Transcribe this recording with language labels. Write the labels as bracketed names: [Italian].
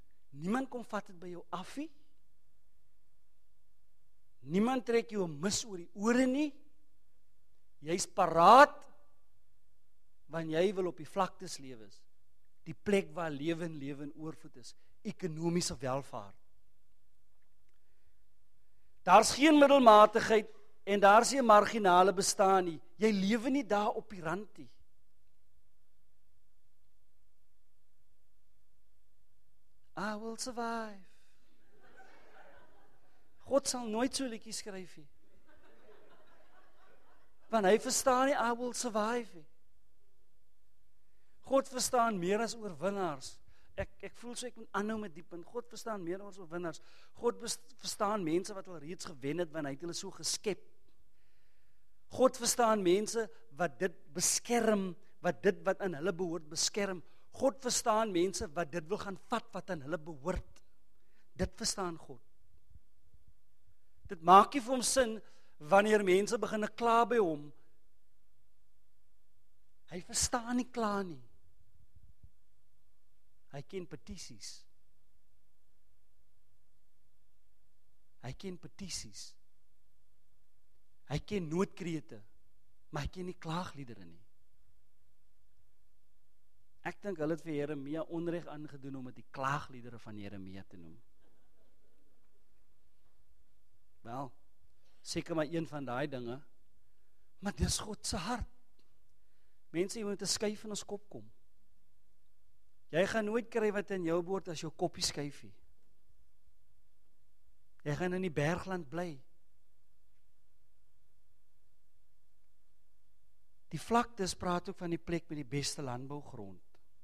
[Afrikaans] Niemand kom vat dit by jou afie. Niemand trek jou mis oor die ore nie. Jy is paraat, want jy wil op die vlaktes lewe. Die plek waar lewe en lewe in oorvloed is. Ekonomiese welvaart. Daar's geen middelmatigheid en daar's geen marginale bestaan nie. Jy lewe nie daar op die rand nie. [English] I will survive. [Afrikaans] God sal nooit so liedjie skryf nie. Want hy verstaan nie, [English] I will survive [Afrikaans] nie. God verstaan meer as oorwinnaars. Ek voel so ek moet aanhou met diep in. God verstaan meer as oorwinnaars. God verstaan mense wat al reeds gewen het, want hy het hulle so geskep. God verstaan mense wat dit beskerm, wat dit wat aan hulle behoort beskerm. God verstaan mense wat dit wil gaan vat wat aan hulle behoort. Dit verstaan God. Dit maak nie vir hom sin wanneer mense begin kla by hom. Hy verstaan nie kla nie. Hy ken petisies. Hy ken petisies. Hy ken noodkrete, maar hy ken nie klaagliedere nie. Ek dink hulle het vir Jeremia onreg aangedoen om het die klaagliedere van Jeremia te noem. Wel, seker maar een van die dinge, maar dis God se hart. Mense, jy moet 'n skuif in ons kop kom. Jy gaan nooit kry wat in jou boord as jou koppie skuifie. Jy gaan in die bergland bly. Die vlaktes praat ook van die plek met die beste landbougrond.